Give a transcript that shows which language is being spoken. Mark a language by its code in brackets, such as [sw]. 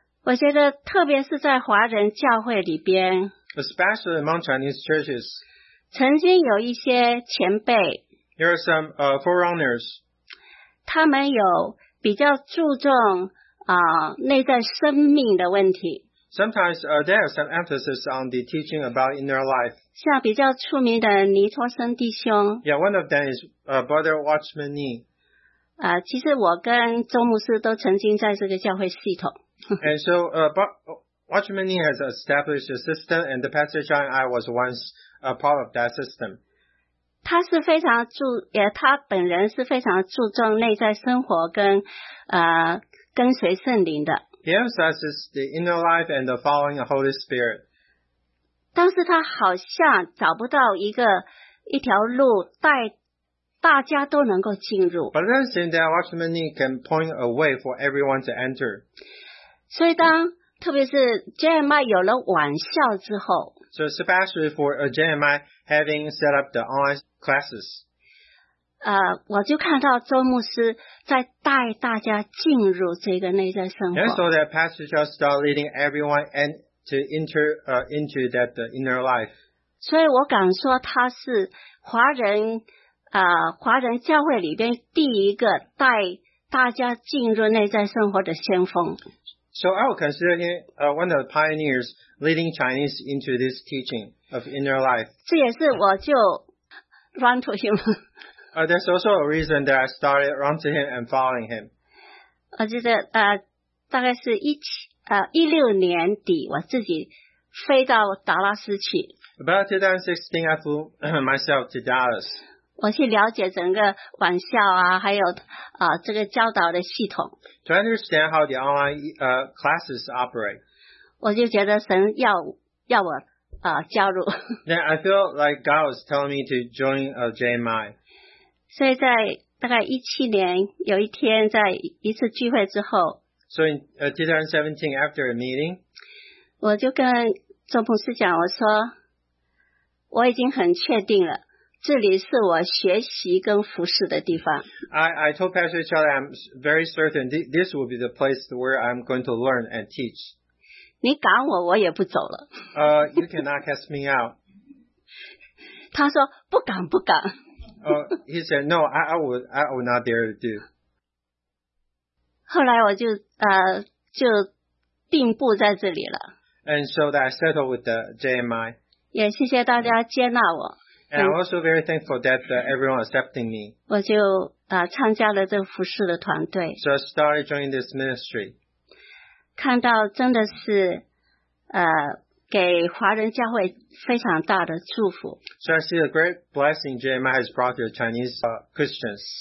[zh] 我觉得特别是在华人教会里边 [en] Especially among Chinese churches. [zh] 曾经有一些前辈 [en] There are some forerunners. [zh] 他们有比较注重内在生命的问题。 [en] Sometimes there are some emphasis on the teaching about inner life. [zh] 像比较出名的尼托森弟兄。 [en] Yeah, one of them is Brother Watchman Nee. [zh] 其实我跟周牧师都曾经在这个教会系统。 [en] And so Watchman Nee has established a system, and the Pastor John and I was once a part of that system. [zh] 他是非常他本人是非常注重内在生活跟跟随圣灵的。 [en] He emphasizes the inner life and the following the Holy Spirit. [zh] 但是他好像找不到一条路带大家都能够进入。 [en] But it doesn't seem that Watchman Nee can point a way for everyone to enter. [zh] 所以当特别是 JMI 有了网校之后 [en] So especially for a JMI having set up the online classes [zh] 我就看到周牧师在带大家进入这个内在生活 [en] And so that Pastor Chow start leading everyone and to enter into that inner life [zh] 所以我敢说他是华人教会里边第一个带大家进入内在生活的先锋 [en] So I would consider him one of the pioneers leading Chinese into this teaching of inner life. [zh] 这也是我就 [en] run to him. There's also a reason that I started run to him and following him. [zh] 我记得大概是2016年底，我自己飞到达拉斯去。 [en] About 2016, I flew myself to Dallas. [zh] 我去了解整个网校啊，还有这个教导的系统。 [en] To understand how the online classes operate. [zh] 我就觉得神要我加入。 [en] Then I feel like God was telling me to join a JMI. [zh] 所以在大概17年有一天在一次聚会之后。 [en] So in 2017 after a meeting. [zh] 我就跟周牧师讲，我说我已经很确定了。这里是我学习跟服侍的地方。 [en] I told Pastor Chow that I'm very certain this will be the place where I'm going to learn and teach. [zh] 你赶我，我也不走了。 [en] You cannot cast me out. [zh] 他说不敢不敢。 [en] He said no, I would not dare to do. [zh] 后来我就定步在这里了。 [en] And so that I settled with the JMI. [zh] 也谢谢大家接纳我。 [en] And I'm also very thankful that everyone accepting me. [zh] 我就参加了这服事的团队。 [en] So I started joining this ministry. [zh] 看到真的是给华人教会非常大的祝福。 [en] So I see a great blessing JMI has brought to the Chinese Christians.